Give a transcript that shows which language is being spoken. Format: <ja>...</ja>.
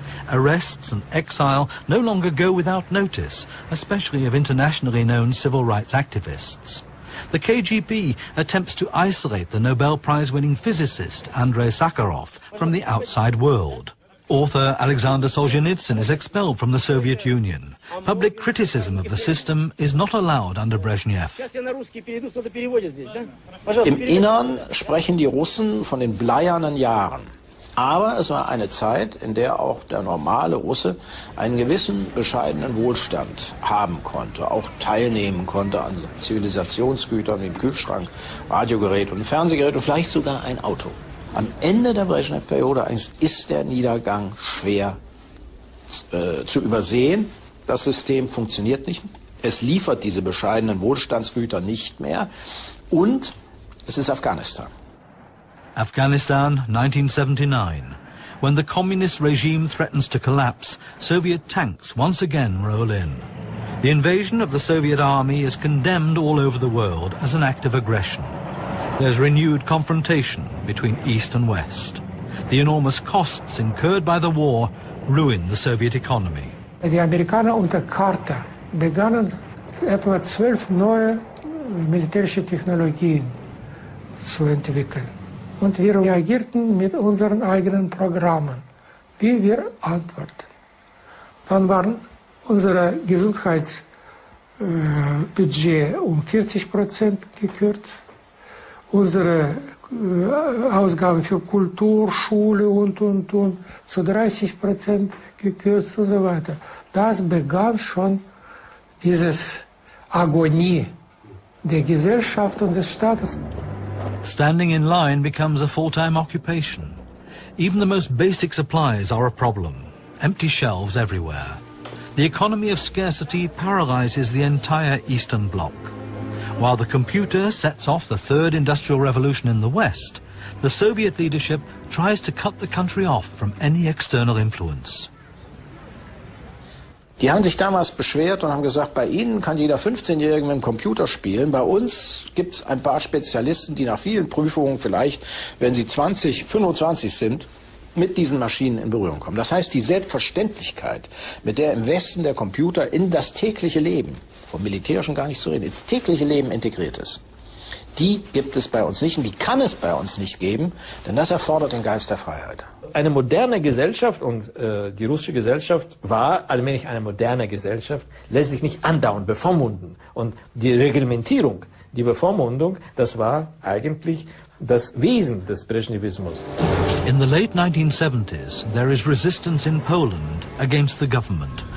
<en>Arrests and exile no longer go without notice, especially of internationally known civil rights activists. The KGB attempts to isolate the Nobel Prize-winning physicist Andrei Sakharov from the outside world. Author Alexander Solzhenitsyn is expelled from the Soviet Union. Public criticism of the system is not allowed under Brezhnev.</en> <de>Im Innern sprechen die Russen von den bleiernen Jahren. Aber es war eine Zeit, in der auch der normale Russe einen gewissen bescheidenen Wohlstand haben konnte, auch teilnehmen konnte an Zivilisationsgütern wie Kühlschrank, Radiogerät und Fernsehgerät und vielleicht sogar ein Auto. Am Ende der Brezhnev-Periode ist der Niedergang schwer zu übersehen. Das System funktioniert nicht. Es liefert diese bescheidenen Wohlstandsgüter nicht mehr. Und es ist Afghanistan.</de> <en>Afghanistan, 1979. When the communist regime threatens to collapse, Soviet tanks once again roll in. The invasion of the Soviet army is condemned all over the world as an act of aggression. There's renewed confrontation between East and West. The enormous costs incurred by the war ruin the Soviet economy.</en> <de>Die Amerikaner unter Carter begannen etwa 12 neue militärische Technologien zu entwickeln. Und wir reagierten mit unseren eigenen Programmen, wie wir antworten. Dann waren unsere Gesundheitsbudget um 40% gekürzt. Unsere Ausgaben für Kultur, Schule und zu 30% gekürzt und so weiter. Das begann schon dieses Agonie der Gesellschaft und des Staates.</de> <en>Standing in line becomes a full-time occupation. Even the most basic supplies are a problem. Empty shelves everywhere. The economy of scarcity paralyzes the entire Eastern Bloc. While the computer sets off the third industrial revolution in the West, the Soviet leadership tries to cut the country off from any external influence.</en> <de>Die haben sich damals beschwert und haben gesagt, bei ihnen kann jeder 15-Jährige mit dem Computer spielen. Bei uns gibt es ein paar Spezialisten, die nach vielen Prüfungen vielleicht, wenn sie 20, 25 sind, mit diesen Maschinen in Berührung kommen. Das heißt, die Selbstverständlichkeit, mit der im Westen der Computer in das tägliche Leben, vom militärischen gar nicht zu reden, ins tägliche Leben integriert ist, die gibt es bei uns nicht und die kann es bei uns nicht geben, denn das erfordert den Geist der Freiheit. Eine moderne Gesellschaft, und die russische Gesellschaft war allmählich eine moderne Gesellschaft, lässt sich nicht andauernd bevormunden. Und die Reglementierung, die Bevormundung, das war eigentlich das Wesen des Brezhnevismus.</de> <en>In the late 1970s, there is resistance in Poland against the government.</en>